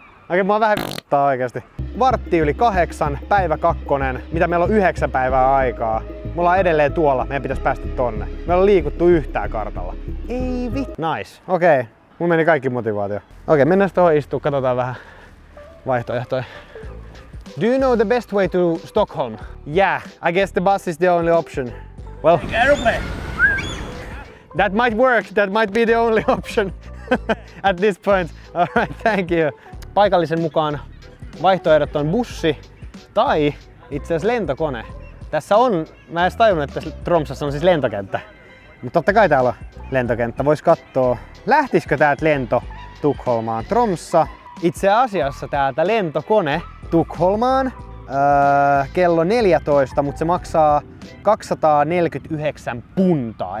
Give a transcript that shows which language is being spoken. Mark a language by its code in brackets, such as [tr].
[fi] Okei, mä oon vähän vittaa oikeesti. Vartti yli 8, päivä 2, mitä meillä on 9 päivää aikaa. Me ollaan edelleen tuolla, meidän pitäisi päästä tonne. Meillä on liikuttu yhtään kartalla. Ei vittu. Nice. Okei, okay. Mun meni kaikki motivaatio. Okei, mennään sitten tuohon istuun, katsotaan vähän vaihtoehtoja. [en] Do you know the best way to Stockholm? Yeah, I guess the bus is the only option. Well, aeroplane. That might work, that might be the only option. At this point, alright, thank you. [fi] Paikallisen mukaan vaihtoehdot on bussi tai itse asiassa lentokone. Tässä on, mä en edes tajunnut, että Tromsassa on siis lentokenttä. Mutta totta kai täällä on lentokenttä, vois katsoa. Lähtisikö täältä lento Tukholmaan? Tromssa, itse asiassa täältä lentokone Tukholmaan kello 14, mutta se maksaa 249 puntaa.